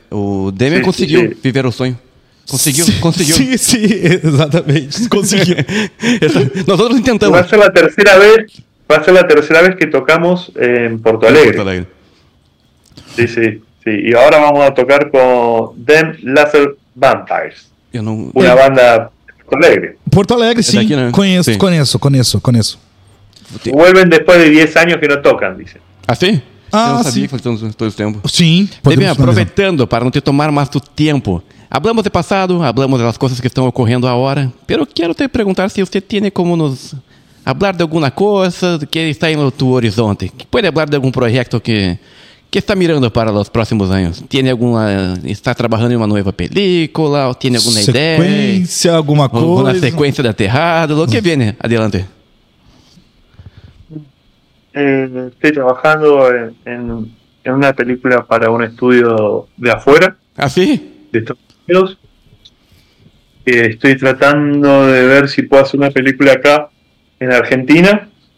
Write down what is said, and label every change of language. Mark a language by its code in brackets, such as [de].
[pt] O Demian conseguiu viver o sonho. Conseguiu, sim, conseguiu. Sim, sim, exatamente. Conseguiu. Nós tentamos. Vai ser a terceira vez. [es] va a ser la tercera vez que tocamos en [pt] Porto Alegre. [es] Porto Alegre. Sí, sí, sí. Y ahora vamos a tocar con Them Laser Vampires. No... Una banda de Porto Alegre. Porto Alegre, sí. Aquí, ¿no? [pt] Conheço, [es] sí. [pt] Conheço, conheço, conheço. [es] Vuelven después de 10 años que no tocan, dicen. ¿Ah, sí? [pt] Ah, eu não sabia, sim. Faltamos todo o tempo. Sim. Deve, aproveitando para não te tomar mais do tempo. [es] Hablamos de passado, hablamos [pt] das coisas que estão ocorrendo agora. Pero quero te perguntar se você tem como nos... [es] Hablar [pt] de alguma coisa que está em tu horizonte. Pode falar de algum projeto que está mirando para os próximos anos. Tem alguma... Está trabalhando em uma nova película? Ou tem alguma ideia? Sequência, alguma coisa? Alguma sequência de aterrado? O que vem? [es] Adelante. Estoy trabajando en una película para un estudio de afuera. ¿Ah, sí? De Estados Unidos. Estoy tratando de ver si puedo hacer una película acá, en Argentina.